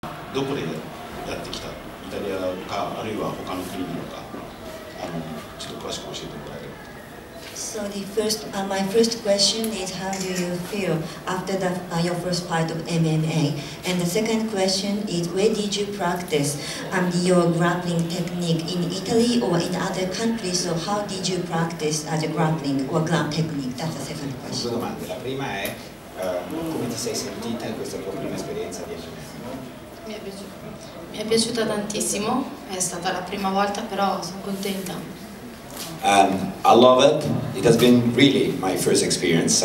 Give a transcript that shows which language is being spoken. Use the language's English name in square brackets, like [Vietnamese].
[Japanese] どこでやってきた、イタリアかあるいは他の国なのか、ちょっと詳しく教えてもらえれば。 [English] So the first, my first question is how do you feel after the, your first fight of MMA? And the second question is where did you practice your grappling technique, in Italy or in other countries? So how did you practice as a grappling or ground technique? That's the second question. [Italian] Due domande. La prima è come ti sei sentita in questa tua prima esperienza di MMA? Mi è piaciuta tantissimo. È stata la prima volta, però sono contenta. [English] I love it. It has been really my first experience.